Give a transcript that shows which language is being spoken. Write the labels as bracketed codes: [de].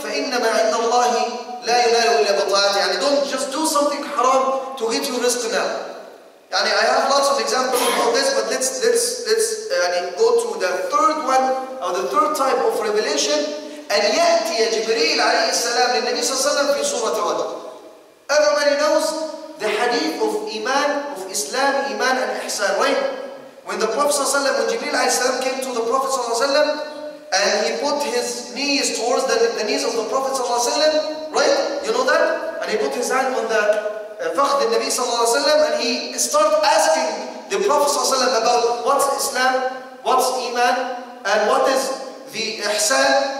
[ar] فإنما عند الله لا ينالوا إلا بطاعته. يعني [en] don't just do something haram to get your risk now. [ar] يعني [en] I have lots of examples about this, but let's يعني go to the third one or the third type of revelation. [ar] أن يأتي جبريل عليه السلام للنبي صلى الله عليه وسلم في صورة رجل. [en] Everybody knows the hadith of Iman, of Islam, Iman and Ihsan, right? When the Prophet ﷺ, when Jibreel alayhi salam came to the Prophet ﷺ and he put his knees towards the knees of the Prophet ﷺ, right? You know that? And he put his hand on the fakhd of Nabi ﷺ and he started asking the Prophet ﷺ about what's Islam, what's Iman, and what is the Ihsan.